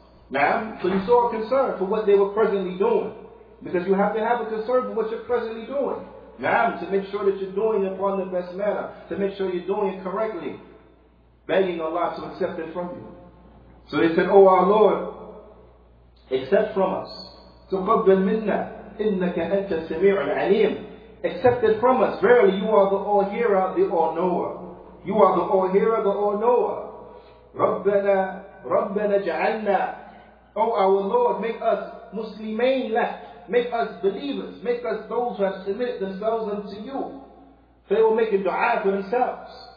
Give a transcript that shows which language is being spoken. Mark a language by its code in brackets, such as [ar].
[en] Ma'am, so you saw a concern for what they were presently doing. Because you have to have a concern for what you're presently doing. Ma'am, to make sure that you're doing it upon the best manner. To make sure you're doing it correctly. Begging Allah to accept it from you. So they said, O our Lord, accept from us. [ar] تقبل منا إنك أنت السميع العليم. [en] Accept it from us. Verily, you are the all-hearer, the all-knower. You are the all-hearer, the all-knower. [ar] رَبَّنَا رَبَّنَا جَعَلْنَا. [en] O our Lord, make us Muslimain left. Make us believers. Make us those who have submitted themselves unto you. They will make a dua for themselves.